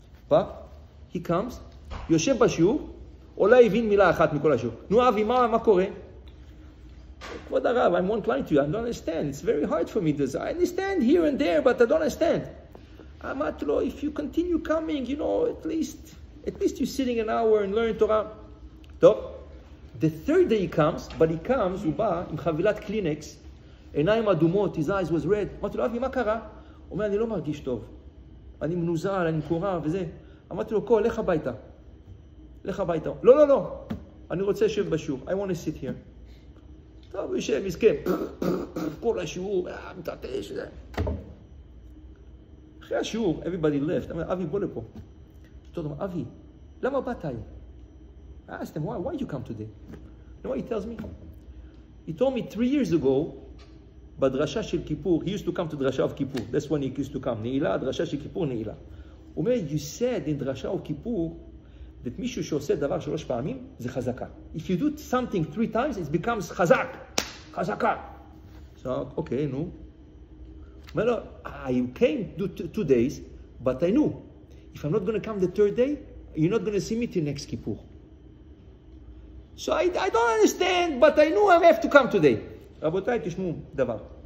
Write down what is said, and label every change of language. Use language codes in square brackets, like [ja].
[en] But he comes, [he] יושב בשיעור, אולי הבין מילה אחת מכל השיעור. נו אבי, מה קורה? כבוד הרב, [en] I'm not lying to you, I don't understand. It's very hard for me. I understand here and there, but I don't understand. [he] אמרתי לו, [en] if you continue coming, you know, at least you're sitting an hour and learning Torah. [he] טוב, [en] the third day he comes, [he] but he comes, הוא בא עם חבילת קלינקס, עיניים אדומות, [en] his eyes was red. [he] אמרתי לו, אבי, מה קרה? הוא אומר, אני לא מרגיש טוב. אני מנוזל, אני מקורר וזה. אמרתי לו, קול, לך הביתה. לא. אני רוצה לשב בשיעור. [en] I want to sit here. [he] טוב, הוא יושב, יזכה. כל השיעור, מתעטש וזה. אחרי השיעור, [en] everybody left. [he] אמר, אבי, בוא לפה. אותו דבר, אבי, למה באת היום? [en] I asked him, why did you come today? You know what he tells me? He told me 3 years ago, [he] בדרשה של כיפור, [en] he used to come to דרשה of כיפור. That's when he used to come. [he] נעילה, דרשה של כיפור, נעילה. הוא אומר, [en] you said in [he] דרשה of כיפור, that מישהו שעושה דבר 3 פעמים, זה חזקה. [en] If you do something 3 times, it becomes חזק. חזקה. So, okay, no. Well, I came to 2 days, but I knew. If I'm not going to come the third day, you're not going to see me till next Kippur. So I don't understand, but I knew I have to come today. [he] Rabotai, tishmu, davar.